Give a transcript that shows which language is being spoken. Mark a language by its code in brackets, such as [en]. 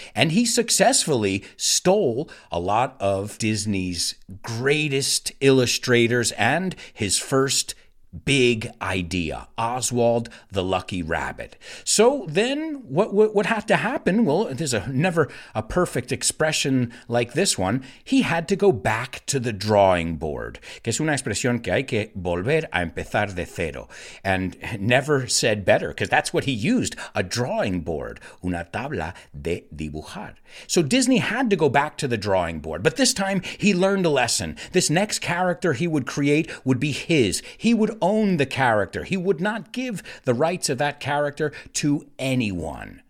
[en] And he successfully stole a lot of Disney's greatest illustrators and his first Big idea. Oswald the Lucky Rabbit. So then what had to happen? Well, there's never a perfect expression like this one. He had to go back to the drawing board. [es] Que es una expresión que hay que volver a empezar de cero. [en] And never said better, because that's what he used. A drawing board. [es] Una tabla de dibujar. [en] So Disney had to go back to the drawing board. But this time he learned a lesson. This next character he would create would be his. He would own the character. He would not give the rights of that character to anyone.